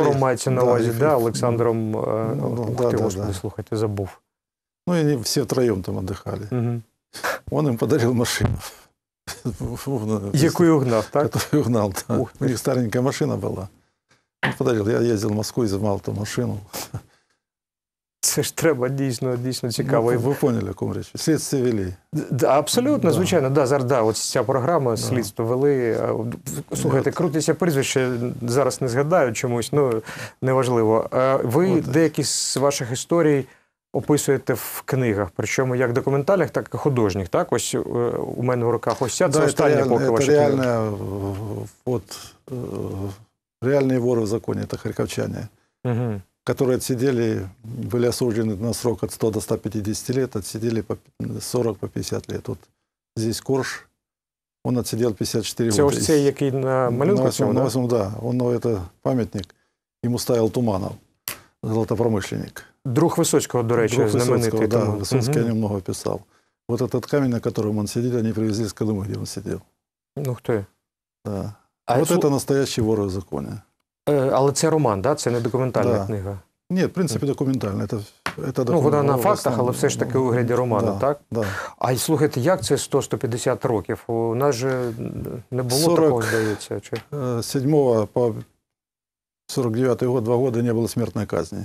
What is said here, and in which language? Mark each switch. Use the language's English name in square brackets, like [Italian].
[Russian] актором мать на увазе, да, Александром, ну, ух да, ты, да, господи, да. [Ukrainian] Слухайте, забыв. [Russian] Ну, они все втроем там отдыхали. Угу. Он им подарил машину. Якую угнал, так? Которую угнал, да. У них старенькая машина была. Он подарил. Я ездил в Москву и взял эту машину. [Ukrainian] Це ж треба дійсно, дійсно цікаво. Ну, ви поняли, кому речі. Слідство вели. Да, абсолютно, да. Звичайно. Да, зараз, да, ось ця програма, да. Слідство вели. Слухайте, вот. Крутися прізвище, зараз не згадаю чомусь, ну, неважливо. Ви вот деякі з ваших історій описуєте в книгах, причому як документальних, так і художніх, так? Ось у мене в руках ось ця, да, це остання епоха ваших книг. Реальне, от, реальні вори в законі, це харківчани. Угу. [Russian] Которые отсидели, были осуждены на срок от 100 до 150 лет, отсидели по 40, по 50 лет. Вот здесь Корж, он отсидел 54 года. Это уже [Ukrainian] який на малюнку? [Russian] На восьмом, да. Он, ну, это памятник, ему ставил Туманов, золотопромышленник. Друг Высоцкого, [Ukrainian] до речи, [Russian] друг знаменитый. Высоцкого, да, Высоцкий о нем много писал. Вот этот камень, на котором он сидит, они привезли из Колымы, где он сидел. Ну, кто? Да. А вот это настоящий вор в законе. [Ukrainian] Але це роман, да? Це не документальна, да, книга? Ні, в принципі, документальна. Це ну, вона на фактах, але все ж таки у вигляді роману, да, так? Да. А й слухайте, як це 100-150 років? У нас же не було 40... такого, здається. Чи... 7-го по 49-й год, 2 роки не було смертної казни.